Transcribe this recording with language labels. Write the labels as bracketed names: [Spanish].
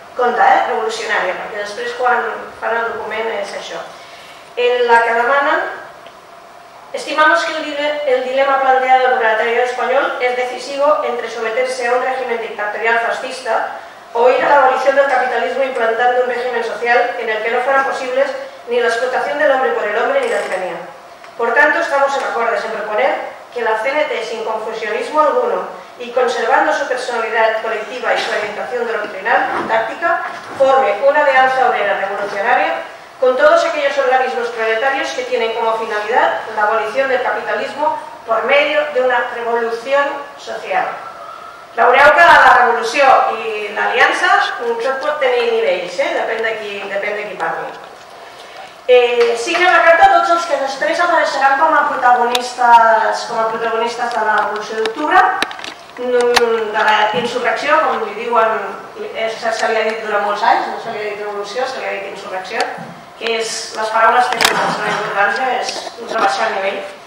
[Catalan] Compte, revolucionària, perquè després quan fan el document és això. En la que demanen: [Spanish] estimamos que el dilema planteado por el territorio español es decisivo entre someterse a un régimen dictatorial fascista o ir a la abolición del capitalismo implantando un régimen social en el que no fueran posibles ni la explotación del hombre por el hombre ni la tiranía. Por tanto, estamos en acuerdo en proponer que la CNT, sin confusionismo alguno y conservando su personalidad colectiva y su orientación doctrinal y táctica, forme una alianza obrera revolucionaria con todos aquellos organismos proletarios que tienen como finalidad la abolición del capitalismo por medio de una revolución social. [Catalan] La Ureuca, la revolució i l'aliança, tot pot tenir nivells, depèn de qui parli. Signa la carta a tots els que després apareixeran com a protagonistes de la revolució d'octubre, de la insurrecció, com li diuen, se li ha dit durant molts anys, no se li ha dit revolució, se li ha dit insurrecció, que és les paraules que són la importància, és un rebaixar el nivell.